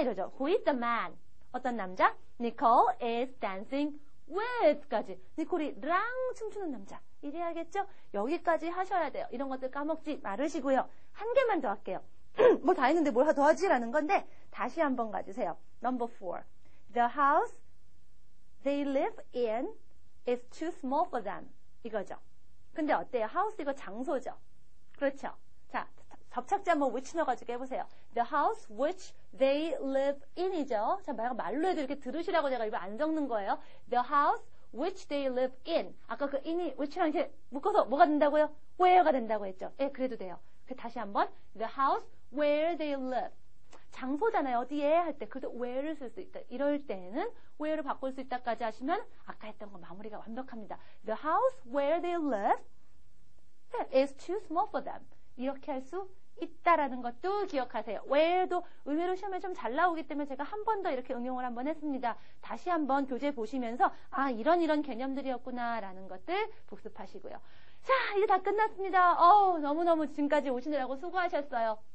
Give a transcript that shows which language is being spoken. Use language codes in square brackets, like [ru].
[ko] 이러죠. [en] Who is the man? [ko] 어떤 남자? [en] Nicole is dancing with까지. [ko] 니콜이랑 춤추는 남자. 이래야겠죠? 여기까지 하셔야 돼요. 이런 것들 까먹지 마르시고요. 한 개만 더 할게요. 뭐 다 했는데 뭘 더 하지? 라는 건데 다시 한번 가주세요. [en] Number 4. The house they live in is too small for them. [ko] 이거죠. 근데 어때요? House 이거 장소죠. 그렇죠. 자, 접착제 한번 which 넣어가지고 해보세요. [en] The house which they live in [ko] 이죠. 자, 만약 말로 해도 이렇게 들으시라고 제가 이거 안 적는 거예요. [en] The house which they live in. [ko] 아까 그 in이 which랑 이렇게 묶어서 뭐가 된다고요? where가 된다고 했죠. 예, 그래도 돼요. 다시 한번 [en] the house where they live. [ko] 장소잖아요. 어디에 할 때 그래도 where를 쓸 수 있다. 이럴 때는 where를 바꿀 수 있다까지 하시면 아까 했던 거 마무리가 완벽합니다. [en] The house where they live is too small for them. [ko] 이렇게 할 수 있다라는 것도 기억하세요. where도 의외로 시험에 좀 잘 나오기 때문에 제가 한 번 더 이렇게 응용을 한번 했습니다. 다시 한번 교재 보시면서 아 이런 개념들이었구나라는 것들 복습하시고요. 자, 이제 다 끝났습니다. 너무너무 지금까지 오시느라고 수고하셨어요.